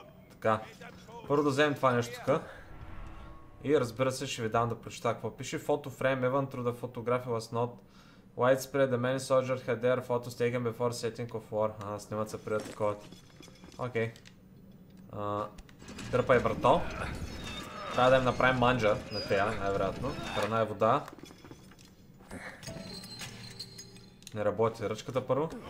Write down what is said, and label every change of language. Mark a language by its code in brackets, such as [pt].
[bg] Така, първо да вземем това нещо тук. И разбира се, ще ви дам да прочета какво пише. [en] Photo frame, even through the photography was not widespread. The many soldiers had their photos taken before setting of war. [bg] Ага, снимат се преди таковата. Окей. Дърпай, брато. Трябва да им направим манджа на тея, най-вероятно. Храна е вода. Не работи ръчката първо.